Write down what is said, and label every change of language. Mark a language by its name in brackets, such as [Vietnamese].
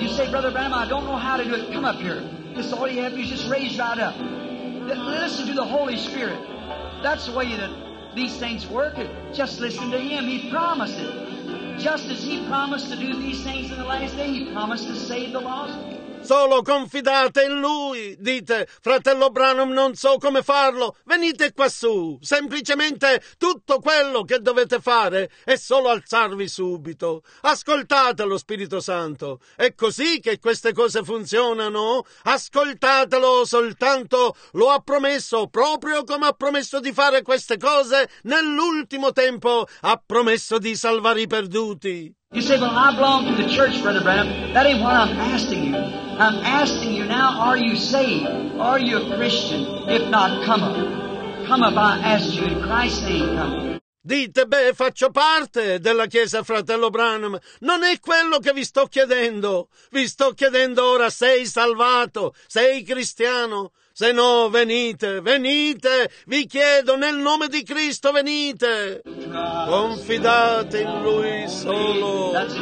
[English] You say, Brother Branham, I don't know how to do it. Come up here. This all you have is just raise right up. Listen to the Holy Spirit. That's the way that these things work. Just listen to him. He promised it. just as he promised to do these things in the last day, he promised to save the lost. [Italian] Solo confidate in lui, dite, fratello Branham, non so come farlo, venite quassù, semplicemente tutto quello che dovete fare è solo alzarvi subito, ascoltate lo Spirito Santo, è così che queste cose funzionano, ascoltatelo soltanto, lo ha promesso proprio come ha promesso di fare queste cose nell'ultimo tempo, ha promesso di salvare i perduti. [English] You say, well, I belong to the church, Brother Branham. That ain't what I'm asking you. I'm asking you now, are you saved? Are you a Christian? If not, come up. Come up, I ask you in Christ's name, come up. [Italian] Dite, beh, faccio parte della Chiesa, fratello Branham. Non è quello che vi sto chiedendo. Vi sto chiedendo ora, sei salvato? Sei cristiano? Se no, venite, venite! Vi chiedo, nel nome di Cristo, venite! Confidate in Lui solo!